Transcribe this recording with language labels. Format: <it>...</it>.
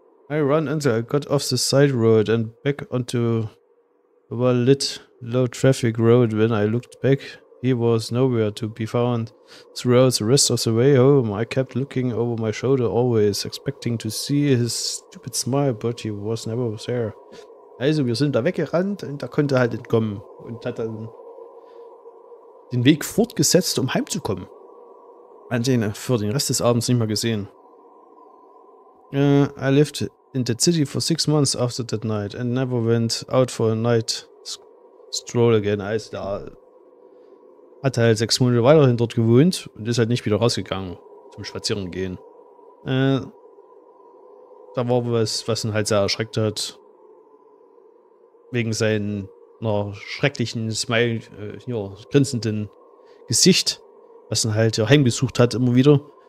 <en>I run until I got off the side road and back onto a well-lit, low-traffic road. When I looked back, he was nowhere to be found. Throughout the rest of the way home, I kept looking over my shoulder, always expecting to see his stupid smile, but he was never there.</en> <de>Also, wir sind da weggerannt und da konnte er halt entkommen und hat dann den Weg fortgesetzt, um heimzukommen. Hat ihn für den Rest des Abends nicht mehr gesehen.</de> <en>I lived in the city for 6 months after that night and never went out for a night stroll again.</en> <de>Also, da hat er halt 6 Monate weiterhin dort gewohnt und ist halt nicht wieder rausgegangen zum Spazieren gehen. Da war was, was ihn halt sehr erschreckt hat. Wegen seiner schrecklichen Smile, grinsenden Gesicht, was ihn halt ja heimgesucht hat immer wieder.</de>